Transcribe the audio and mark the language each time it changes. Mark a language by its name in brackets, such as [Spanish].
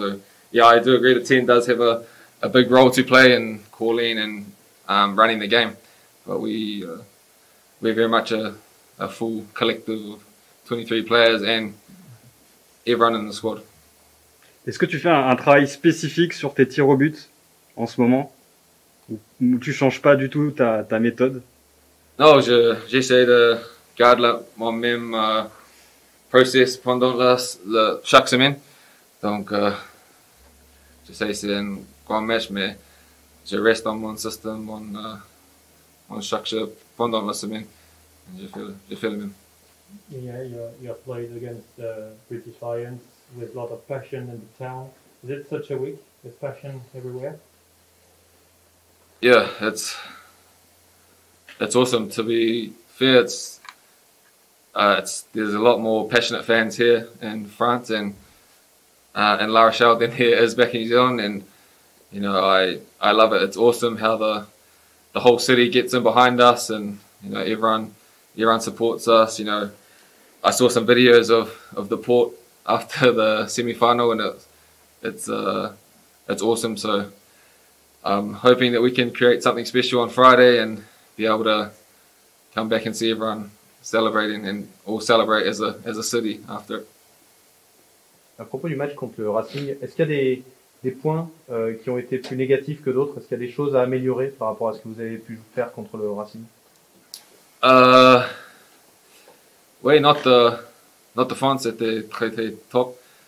[English] So, yeah, I do agree the 10 does have a big role to play in calling and running the game. But we're very much a full collective of 23 players and everyone in the squad. [French] Est-ce que tu fais un travail spécifique sur tes tirs au but en ce moment? Ou tu changes pas du tout ta méthode? Non, j'essaie de garder mon même process pendant chaque semaine. Donc, j'essaie, c'est un grand match, mais je reste dans mon système, mon structure pendant la semaine. Je fais le même. [English] Yeah, you played against British Lions with a lot of passion in the town. Is it such a week with passion everywhere? Yeah, it's awesome. To be fair, there's a lot more passionate fans here in France and in La Rochelle than here is back in New Zealand. And, you know, I love it. It's awesome how the whole city gets in behind us and, you know, everyone supports us. You know, I saw some videos of the port after the semi-final, and it's awesome. So I'm hoping that we can create something special on Friday and be able to come back and see everyone celebrating and all celebrate as a city after. [French] À propos du match contre le Racing, est-ce qu'il y a des points qui ont été plus négatifs que d'autres? Est-ce qu'il y a des choses à améliorer par rapport à ce que vous avez pu faire contre le Racing? Oui, [English] not the France, [French] c'était très, très top.